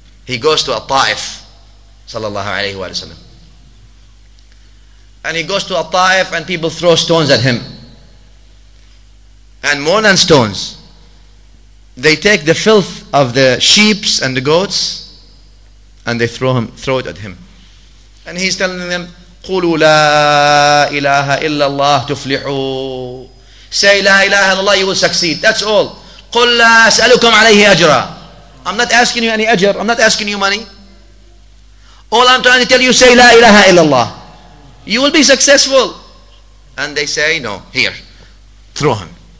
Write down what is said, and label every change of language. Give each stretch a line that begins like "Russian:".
English: He goes to al-Ta'if, sallallahu alayhi wa sallam. And he goes to al-Ta'if and people throw stones at him. And more than stones, they take the filth of the sheep and the goats and they throw it at him. And he's telling them,
Arabic: قُلُوا لَا إِلَهَ إِلَّا اللَّهُ تُفْلِحُوا.
English: Say,
Arabic: لَا إِلَهَ إِلَّا اللَّهُ,
English: you will succeed. That's all.
Arabic: قُلْ لَا أَسْأَلُكُمْ عَلَيْهِ أَجْرًا.
English: I'm not asking you any ajr. I'm not asking you money. All I'm trying to tell you, say,
Arabic: لَا إِلَهَ إِلَّا اللَّهُ.
English: You will be successful. And they say, no, here. Throw him.